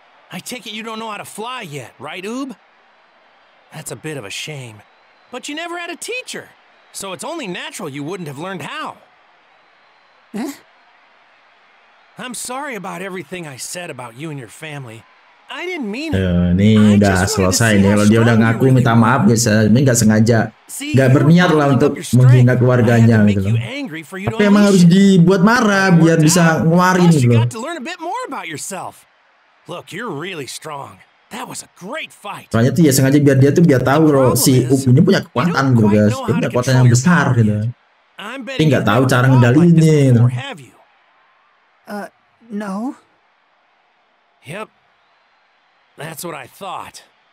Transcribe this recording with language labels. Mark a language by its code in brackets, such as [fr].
[en] I take it you don't know how to fly yet, right, Oob? That's a bit of a shame. But you never had a teacher, so it's only natural you wouldn't have learned how. Huh? I'm sorry about everything I said about you and your family. I didn't mean [id] it. Nih udah selesai nih. Kalau dia udah ngaku minta maaf guys, ini nggak sengaja, nggak berniat lah untuk menghina keluarganya gitu. Tapi emang harus dibuat marah biar bisa ngeluarin gitu. [en] You got to learn a bit more about yourself. Look, you're really strong. That was a great fight. [id] Soalnya tuh ya sengaja biar dia tuh biar tahu loh si Up ini punya kekuatan gitu guys, dia punya kekuatan yang besar gitu. Tapi nggak tahu cara ngendalinya. [en] No. Yep. That's what I thought.